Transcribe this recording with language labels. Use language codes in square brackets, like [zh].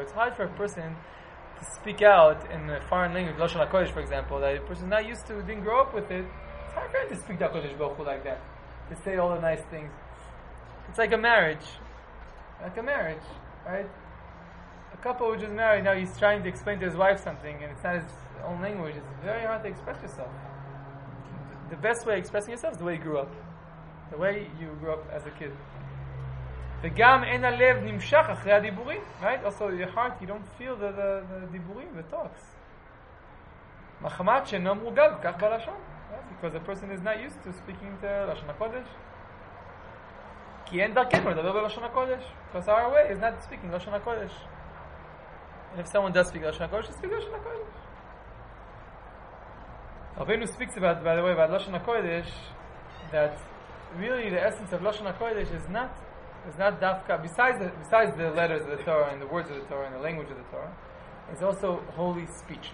[en] It's hard for a person to speak out in a foreign language, Lashon HaKodesh, for example, that a person not used to, didn't grow up with it, it's hard for him to speak the HaKodesh Baruch Hu like that, to say all the nice things. It's like a marriage. Like a marriage, right? A couple who just married, now he's trying to explain to his wife something, and it's not his own language, it's very hard to express yourself. The best way of expressing yourself is the way you grew up. The way you grew up as a kid. [he] וגם אין הלב נמשך אחרי הדיבורים, [en] right? Also your heart, you don't feel the דיבורים, the talks. [he] מחמת שאינו מורגל, כך בלשון. [en] Because the person is not used to speaking to לשון הקודש. [he] כי אין דרכנו לדבר בלשון הקודש. [en] Because our way is not speaking לשון הקודש. And if someone does speak לשון הקודש, he speaks לשון הקודש. רבינו speaks about, by the way, about לשון הקודש, that really the essence of לשון הקודש is not דווקא, besides the letters of the Torah and the words of the Torah and the language of the Torah, it's also holy speech.